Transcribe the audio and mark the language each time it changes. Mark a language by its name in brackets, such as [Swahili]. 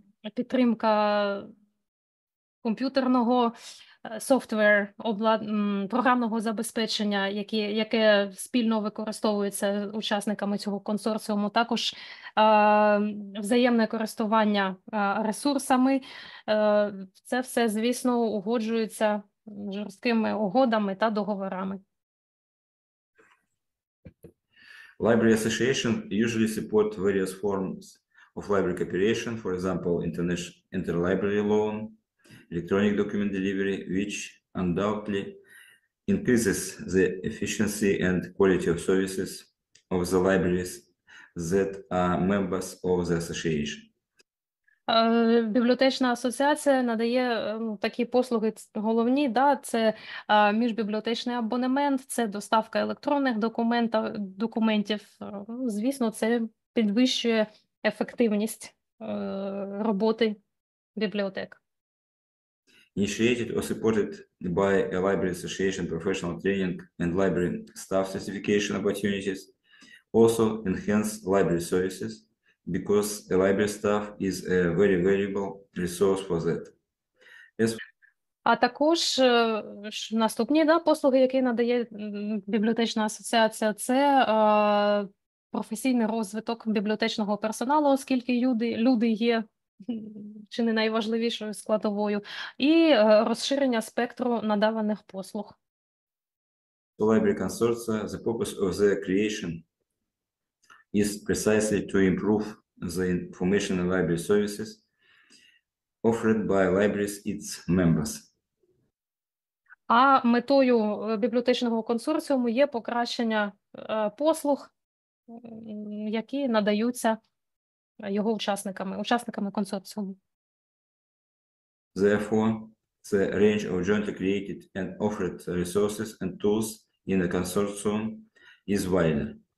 [Ukrainian] підтримка комп'ютерного software, програмного забезпечення, яке спільно використовується учасниками цього консорціуму, також взаємне користування ресурсами. Це все, звісно, угоджується жорсткими угодами та договорами. [English] Library Association usually support various forms of library cooperation, for example, interlibrary loan, electronic document delivery, which undoubtedly increases the efficiency and quality of services of the libraries that are members of the association. [Ukrainian] Бібліотечна асоціація надає такі послуги головні, да, це міжбібліотечний абонемент, це доставка електронних документів. Звісно, це підвищує ефективність роботи бібліотек. [English] Initiated or supported by a library association, professional training and library staff certification opportunities also enhance library services because a library staff is a very valuable resource for that. [Ukrainian] А також наступні, да, послуги, які надає бібліотечна асоціація, це професійний розвиток бібліотечного персоналу, оскільки люди є чи не найважливішою складовою, і розширення спектру надаваних послуг. [English] The library consortia, the purpose of the creation is precisely to improve the information and library services offered by libraries its members. [Ukrainian] А метою бібліотечного консорціуму є покращення послуг, які надаються його учасниками консорціуму. [English] Therefore, the range of jointly created and offered resources and tools in the consortium is wider.